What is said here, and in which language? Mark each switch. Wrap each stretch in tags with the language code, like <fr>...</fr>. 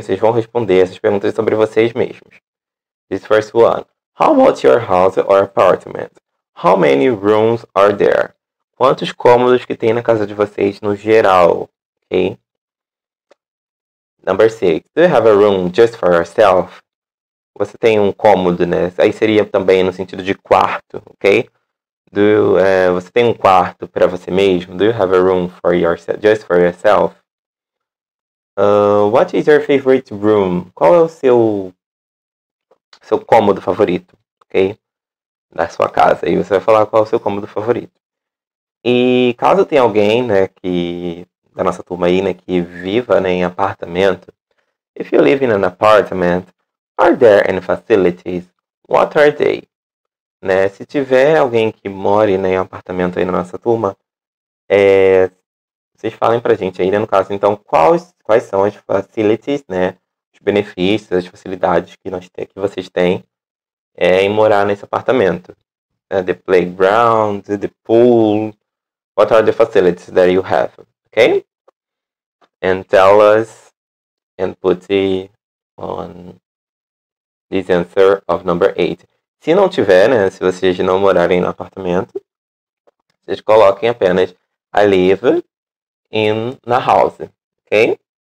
<pt>Vocês vão responder essas perguntas sobre vocês mesmos.</pt> <en>This first one. How about your house or apartment? How many rooms are there?</en> <pt>Quantos cômodos que tem na casa de vocês no geral?</pt> <en>Okay? Number six. Do you have a room just for yourself?</en> <pt>Você tem um cômodo, né? Aí seria também no sentido de quarto, ok? Você tem um quarto para você mesmo?</pt> <en>Do you have a room for yourself, just for yourself? What is your favorite room?</en> <pt>Qual é o seu cômodo favorito, ok? Da sua casa. E você vai falar qual é o seu cômodo favorito. E caso tenha alguém, né, que da nossa turma aí, né, que viva, né, em apartamento,</pt> <en>if you live in an apartment, are there any facilities? What are they?</en> <pt>Né, se tiver alguém que more, né, em um apartamento aí na nossa turma, vocês falem pra gente aí, né, no caso, então, quais são as facilities, né, os benefícios, as facilidades que nós tem, que vocês têm em morar nesse apartamento.</pt> <en>The playground, the pool, what are the facilities that you have, ok? And tell us and put it on this answer of number 8.</en> <pt>Se não tiver, né, se vocês não morarem no apartamento, vocês coloquem apenas</pt> <en>I live in na house,</en> <pt>ok?</pt>